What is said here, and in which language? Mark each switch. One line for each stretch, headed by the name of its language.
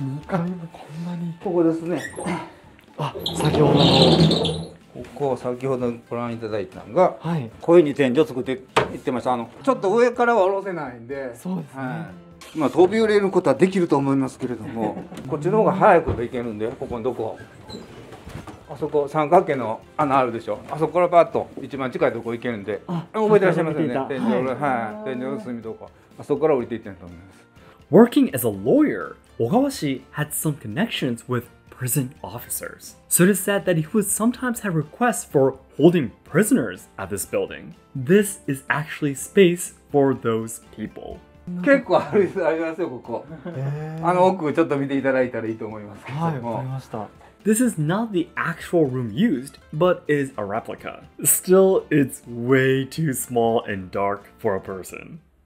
Japanese: こここですね。あ、先ほどのこれ見ていただいたのが、はい。声に天井作って言ってました。ちょっと上から下ろせないんで。そうですね。今飛び降りることはできると思いますけれども、こっちの方が早く行けるんで、ここのとこ。あそこ三角形の穴あるでしょ。あそこからパッと一番近いとこ行けるんで。覚えてらっしゃいますよね。天井裏、はい。天井裏隅とか。あそこから降りていってると思います。
English: Working as a lawyer, ogawashi had some connections with prison officers. So it is said that he would sometimes have requests for holding prisoners at this building. This is actually space for those people.
Japanese: 結構ありますよ、ここ。あの奥ちょっと見ていただいたらいいと思いますけども。はい、わかりました。
English: This is not the actual room used, but is a replica. Still, it's way too small and dark for a person.